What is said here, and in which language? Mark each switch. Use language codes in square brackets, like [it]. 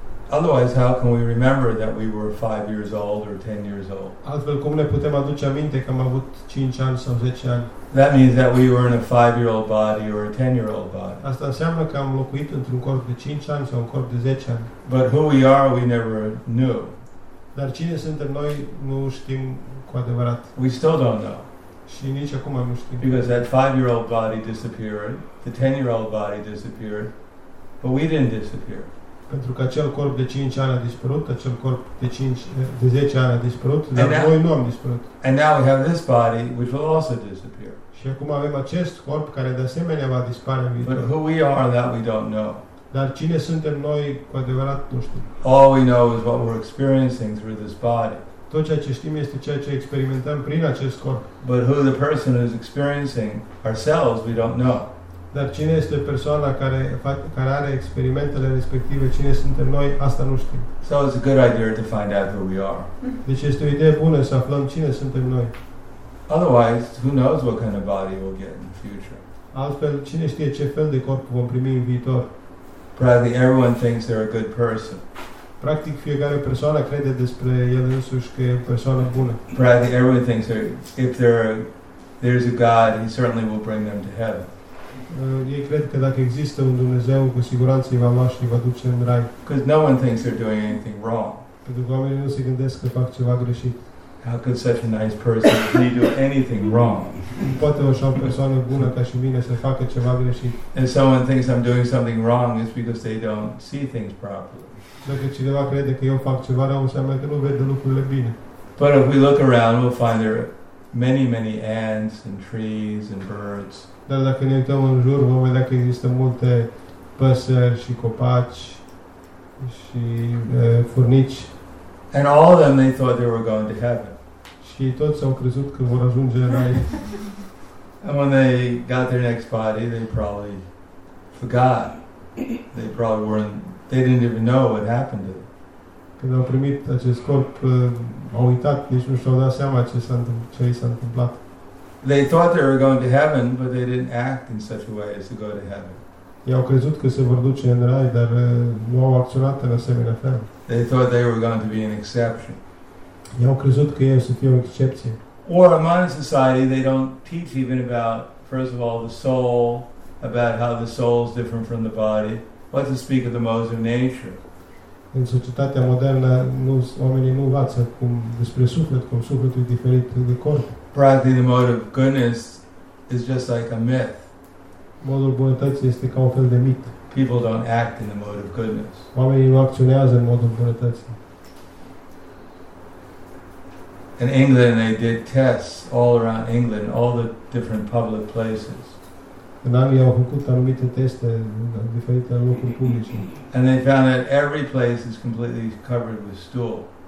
[en] Otherwise, how can we remember that we were 5 years old or 10 years old? [ro] Altfel, cum ne putem aduce aminte că am avut 5 ani sau 10 ani? [en] That means that we were in a 5-year-old body or a 10-year-old body. [ro] Asta înseamnă că am locuit într-un corp de 5 ani sau un corp de 10 ani. [en] But who we are, we never knew. [ro] Dar cine suntem noi, nu știm cu adevărat. [en] We still don't know. [ro] Și nici acum nu știm. [en] Because that 5-year-old body disappeared, the 10-year-old body disappeared, but we didn't disappear. [ro] Pentru că acel corp de 5 ani a dispărut, acel corp de 10 ani a dispărut, dar noi nu am dispărut. [en] And now we have this body which will also disappear. [ro] Și acum avem acest corp care de asemenea va dispărea în viitor. [en] But who we are, that we don't know. [ro] Dar cine suntem noi cu adevărat, nu știm. [en] All we know is what we're experiencing through this body. [ro] Tot ceea ce știm este ceea ce experimentăm prin acest corp. [en] But who the person is experiencing ourselves, we don't know. [ro] Dar cine este persoana care are experimentele respective, cine suntem noi, asta nu știm. [en] So it's a good idea to find out who we are. [ro] Deci este o idee bună să aflăm cine suntem noi. [en] Otherwise, who knows what kind of body we'll get in the future. [ro] Altfel, cine știe ce fel de corp vom primi în viitor. [en] Practically everyone thinks they're a good person. [ro] Practic fiecare persoană crede despre el însuși că e o persoană bună. [en] Practically everyone thinks if there's a God, he certainly will bring them to heaven. [ro] Ei cred că dacă există un Dumnezeu, cu siguranță îi va lua și îi va duce în rai. [en] Because no one thinks they're doing anything wrong. [ro] Pentru că oamenii nu se gândesc că fac ceva greșit. [en] How could such a nice person be doing anything wrong? [ro] Poate o așa persoană bună ca și mine să facă ceva greșit. [en] And someone thinks I'm doing something wrong is because they don't see things properly. [ro] Dacă cineva crede că eu fac ceva rău, înseamnă că nu vede lucrurile bine. [en] But if we look around, we'll find there are many, many ants and trees and birds. [ro] Dar dacă ne uităm în jur, vom vedea că există multe păsări și copaci și furnici. [en] And all of them, they thought they were going to heaven. [ro] Și toți au crezut că vor ajunge în rai. [en] And when they got their next body, they probably forgot. They probably weren't, they didn't even know what happened to them. [ro] Când au primit acest corp, au uitat, nici nu și-au dat seama ce i s-a întâmplat. [en] They thought they were going to heaven, but they didn't act in such a way as to go to heaven. [ro] Ei au crezut că se vor duce în rai, dar nu au acționat în asemenea fel. [en] They thought they were going to be an exception. [ro] Ei au crezut că ei o să fie o excepție. [en] Or a modern society, they don't teach even about, first of all, the soul, about how the soul is different from the body. What to speak of the modes of nature. [ro] În societatea modernă, oamenii nu învață cum despre suflet, cum sufletul e diferit de corp. [en] Practically, the mode of goodness is just like a myth. [ro] Modul bunătății este ca un fel de mit. [en] People don't act in the mode of goodness. [ro] Oamenii nu acționează în modul bunătății. [en] In England, they did tests all around England, all the different public places. [ro] În Anglia au făcut anumite teste în diferite locuri publice. [en] And they found that every place is completely covered with stool.